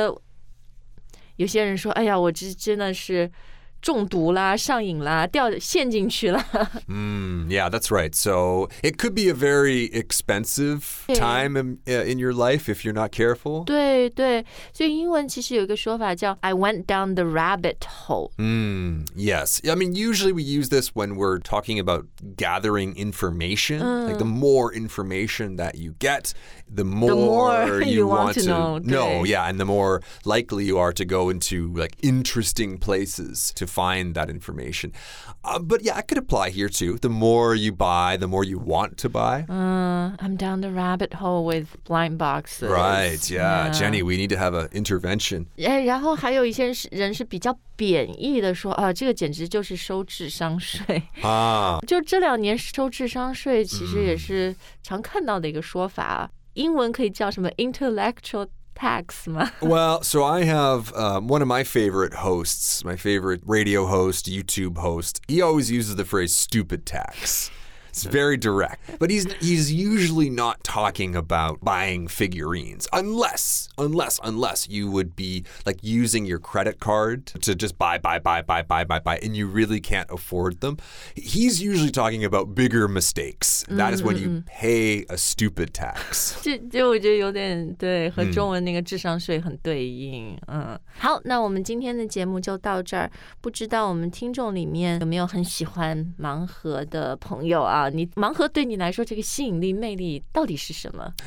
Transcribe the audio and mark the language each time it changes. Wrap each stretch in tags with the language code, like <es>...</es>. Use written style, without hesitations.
<zh>就有些人说哎呀我这真的是中毒啦上瘾啦掉陷进去了</zh> <en>、mm, Yeah, that's right. So it could be a very expensive time in your life if you're not careful.</en> <zh>对对所以英文其实有一个说法叫</zh> <en>I went down the rabbit hole.、 Mm, yes. I mean, usually we use this when we're talking about gathering information.、 Mm. Like the more information that you get, the more you want to know. Yeah, and the more likely you are to go into like interesting places to find that information.、but yeah, it could apply here too. The more you buy, the more you want to buy.、 I'm down the rabbit hole with blind boxes. Right, yeah. Jenny, we need to have an intervention.</en> <zh>Yeah, 然后还有一些人是比较贬义的说、啊、这个简直就是收智商税、啊、就这两年收智商税其实也是常看到的一个说法、啊 mm. 英文可以叫什么 intellectual tax 吗</zh> <en>Well, so I have、one of my favorite hosts, my favorite radio host, YouTube host. He always uses the phrase stupid tax. It's very direct. But he's usually not talking about buying figurines. Unless you would be like using your credit card to just buy, and you really can't afford them. He's usually talking about bigger mistakes. That is when you pay a stupid tax.</en> <zh>就我觉得有点对和中文那个智商税很对应。好那我们今天的节目就到这儿。不知道我们听众里面有没有很喜欢盲盒的朋友啊你盲盒对你来说这个吸引力魅力到底是什么</zh>